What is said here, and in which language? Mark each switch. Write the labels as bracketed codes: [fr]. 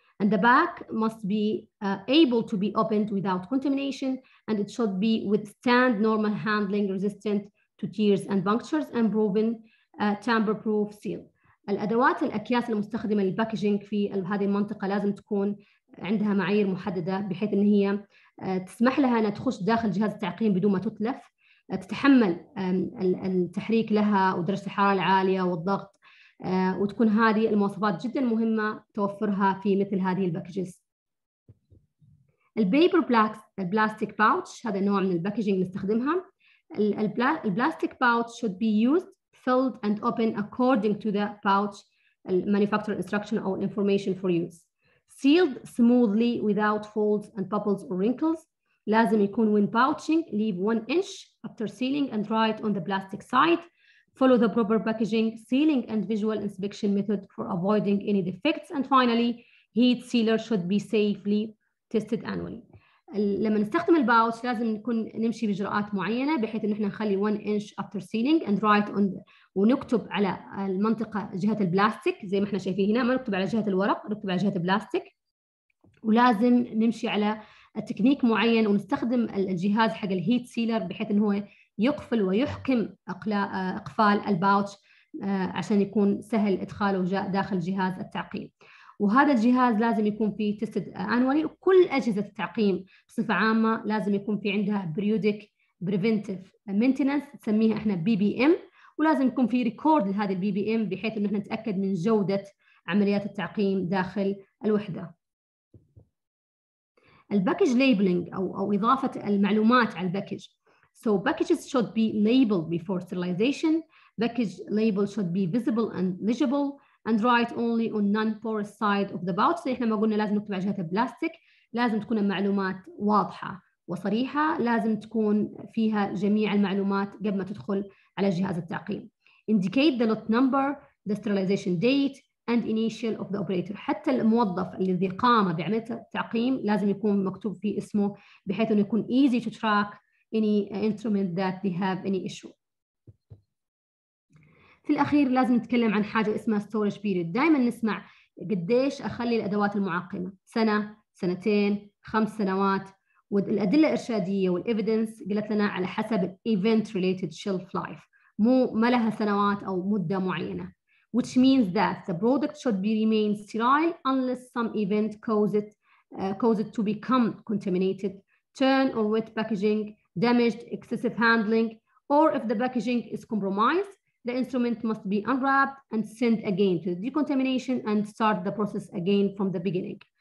[en] And the bag must be able to be opened without contamination and it should be withstand normal handling resistant to tears and punctures and proven tamper-proof seal. [ar] الأدوات الأكياس المستخدمة للباكجينج في هذه المنطقة لازم تكون عندها معايير محددة بحيث أن هي تسمح لها أن تخش داخل جهاز التعقيم بدون ما تتلف، تتحمل التحريك لها ودرجة الحرارة العالية والضغط، وتكون هذه المواصفات جدا مهمة توفرها في مثل هذه الباكجز. البيبر بلاستيك باوتش هذا نوع من الباكجينج اللي نستخدمها. [en] البلاستيك pouch should be used, filled and open according to the pouch manufacturer instruction or information for use. Sealed smoothly without folds and bubbles or wrinkles. [ar] لازم يكون [en] when pouching leave 1 inch after sealing and dry it on the plastic side. Follow the proper packaging, sealing and visual inspection method for avoiding any defects. And finally, heat sealer should be safely tested annually. [ar] لما نستخدم الباوتش لازم نكون نمشي بإجراءات معينة بحيث إن احنا نخلي [en] 1 inch after sealing and dry it on [ar] ونكتب على المنطقة جهة البلاستيك زي ما احنا شايفين هنا، ما نكتب على جهة الورق، نكتب على جهة البلاستيك. ولازم نمشي على التكنيك معين ونستخدم الجهاز حق الهيت سيلر بحيث انه هو يقفل ويحكم اقفال الباوتش عشان يكون سهل ادخاله داخل جهاز التعقيم. وهذا الجهاز لازم يكون فيه تيستد انولي، وكل اجهزه التعقيم بصفه عامه لازم يكون في عندها بريودك بريفنتيف مينتيننس نسميها احنا بي بي ام، ولازم يكون في ريكورد لهذه البي بي ام بحيث انه احنا نتاكد من جوده عمليات التعقيم داخل الوحده. الباكج ليبلنج او اضافه المعلومات على الباكج. [en] So packages should be labeled before sterilization. Package label should be visible and legible and write only on non-porous side of the pouch. [ar] So احنا ما قلنا لازم نكتب على جهه البلاستيك، لازم تكون المعلومات واضحه وصريحه، لازم تكون فيها جميع المعلومات قبل ما تدخل على جهاز التعقيم. [en] Indicate the lot number, the sterilization date and initial of the operator. [ar] حتى الموظف الذي قام بعمليه التعقيم لازم يكون مكتوب فيه اسمه بحيث انه يكون [en] easy to track any instrument that they have any issue. [ar] في الاخير لازم نتكلم عن حاجه اسمها storage period. دائما نسمع قديش اخلي الادوات المعقمه، سنه، سنتين، خمس سنوات، والادله الارشاديه والايفيدنس قالت لنا على حسب event related shelf life، مو ما لها سنوات او مده معينه. [en] Which means that the product should be remain sterile unless some event cause it to become contaminated, turn or wet packaging, damaged, excessive handling, or if the packaging is compromised, the instrument must be unwrapped and sent again to the decontamination and start the process again from the beginning.